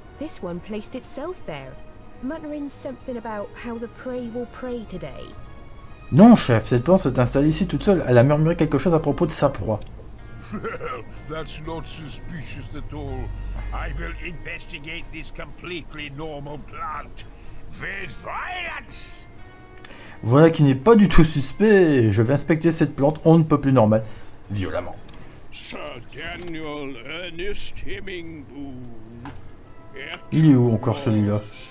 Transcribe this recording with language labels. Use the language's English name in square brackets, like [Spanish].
[English] This one placed itself there, muttering something about how the prey will prey today. [French] Non, chef, cette plante s'est installée ici toute seule. Elle a murmuré quelque chose à propos de sa proie. [English] Well, that's not suspicious at all. I will investigate this completely normal plant with violence. [French] Voilà qui n'est pas du tout suspect. Je vais inspecter cette plante, on ne peut plus normal, violemment. [English] Sir Daniel Ernest Hemingbourne. [French] Il est où encore celui-là?